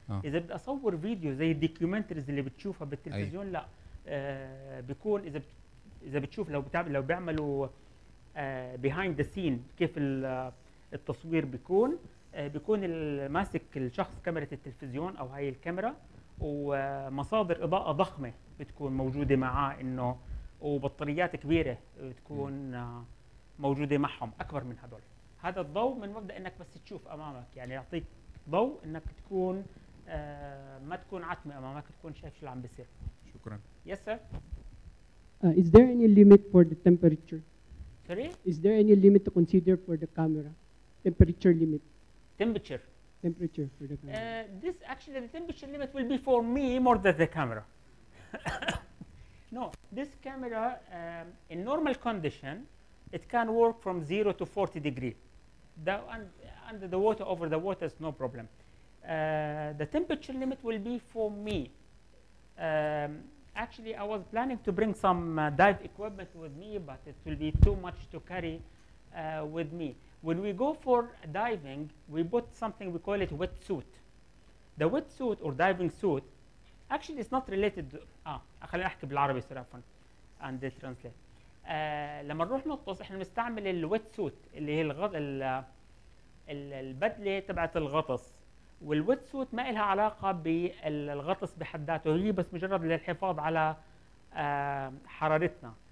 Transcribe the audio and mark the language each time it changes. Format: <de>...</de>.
<ar>اذا بدي اصور فيديو زي الدوكيومنتريز اللي بتشوفها بالتلفزيون، أي. لا بيكون اذا بتشوف لو بيعملوا بيهايند ذا سين كيف التصوير بيكون، بيكون ماسك الشخص كاميرا التلفزيون او هاي الكاميرا، ومصادر اضاءه ضخمه بتكون موجوده معاه، انه وبطاريات كبيره بتكون موجوده معهم اكبر من هذول. هذا الضوء من مبدا انك بس تشوف امامك، يعني يعطيك ضوء انك تكون ما تكون عتمة أمامك، تكون شايف شو اللي عم بيصير. شكراً.</ar> <en>Yes sir. Is there any limit for the temperature? Sorry? Is there any limit to consider for the camera? Temperature limit. Temperature. Temperature for the camera. This actually the temperature limit will be for me more than the camera. No, this camera in normal condition it can work from 0 to 40 degrees. Under the water, over the water is no problem. The temperature limit will be for me. Actually, I was planning to bring some dive equipment with me, but it will be too much to carry with me. When we go for diving, we put something, we call it wetsuit. The wetsuit or diving suit, actually it's not related to,</en> <ar>خلينا نحكي بالعربي صرفا</ar> <en>and the translate.</en> <ar>لما نروح نغطس احنا بنستعمل الwetsuit اللي هي البدلة تبعت الغطس. والويت سوت ما لها علاقة بالغطس بحد ذاته، هي بس مجرد للحفاظ على حرارتنا.</ar>